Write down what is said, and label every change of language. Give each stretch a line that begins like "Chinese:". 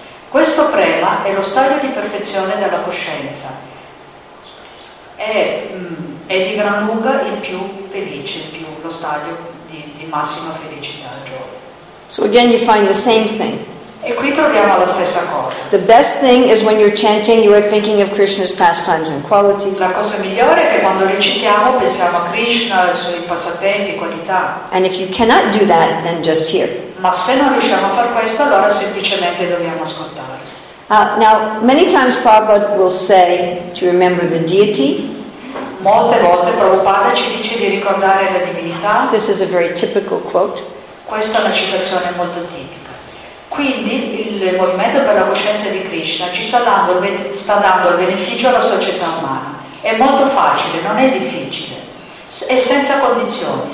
Italian: Questo prema è lo stadio di perfezione della coscienza, è di gran lunga il più felice, lo stadio di massima felicità.
English: So again you find the same thing.
Italian: E qui troviamo la stessa cosa.
English: The best thing is when you're chanting, you are thinking of Krishna's pastimes and qualities.
Italian: La cosa migliore è che quando recitiamo pensiamo a Krishna, ai suoi passatempi, qualità.
English: And if you cannot do that, then just hear.
Italian: Ma se non riusciamo a far questo, allora semplicemente dobbiamo ascoltare.
English: Now, many times Prabhupada will say to remember the deity.
Italian: Molte volte Prabhupada ci dice di ricordare la divinità.
English: This is a very typical quote.
Italian: Questa è una citazione molto tipica. Quindi il movimento per la coscienza di Krishna ci sta dando il beneficio alla società umana. È molto facile, non è difficile. È senza condizioni.